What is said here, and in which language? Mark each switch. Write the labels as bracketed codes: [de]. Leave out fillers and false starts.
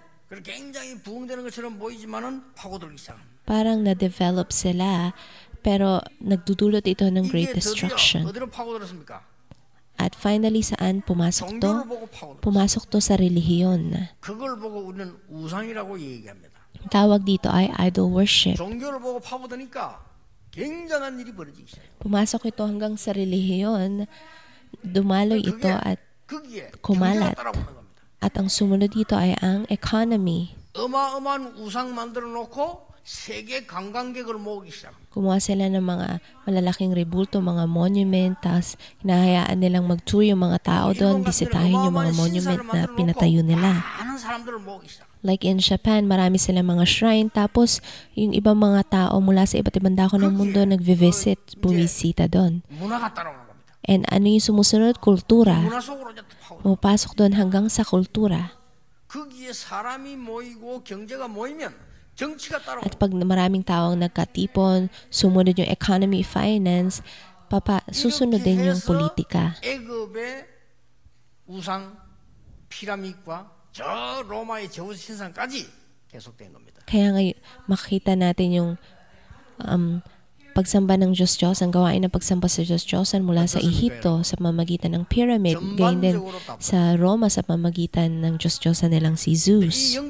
[ko] Kasi 굉장히 부흥되는 것처럼 보이지만은 파고들기 시작. [tl] Parang na-develop sila pero nagdudulot ito ng [en] great destruction. [ko] 어디로 파고들었습니까? [tl] At finally saan pumasok to? Pumasok to sa relihiyon. [ko] 그걸 보고 우리는 우상이라고 얘기합니다. [tl] Tawag dito ay idol worship. [ko] 종교를 보고 파고드니까 굉장한 일이 벌어지기 시작. [tl] Pumasok ito hanggang sa relihiyon. Dumaloy [ko] 그게, [tl] ito at kumalat. At ang sumunod dito ay ang economy. [ko] 어마어마한 우상 만들어 놓고 세계 관광객을 모으기 시작. [tl] 그러면 sila ng mga malalaking rebulto, mga monument, tas hinahayaan nilang mag-tour yung mga tao doon, bisitahin yung mga monument na pinatayo nila. [ko] 많은 사람들을 모으기 시작. [tl] Like in Japan, marami silang mga shrine, tapos yung ibang mga tao mula sa iba't ibang dako ng mundo nagvi-visit, bumisita doon. And ano yung sumusunod? Kultura. Mapasok doon hanggang sa kultura. [ko] 거기에 사람이 모이고 경제가 모이면 [tl] At pag maraming tao ang nagkatipon, sumunod yung economy, finance, papa, susunod din yung politika. [ko] Egypt의 우상, 피라미드와 저 로마의 제우 신상까지 계속된 겁니다. [tl] Kaya nga makita natin yung pagsamba ng Diyos-Diyos, ang gawain ng pagsamba sa Diyos-Diyos mula sa Ehipto sa pamamagitan ng pyramid, gayon din sa Roma sa pamamagitan ng Diyos-Diyos nilang si Zeus.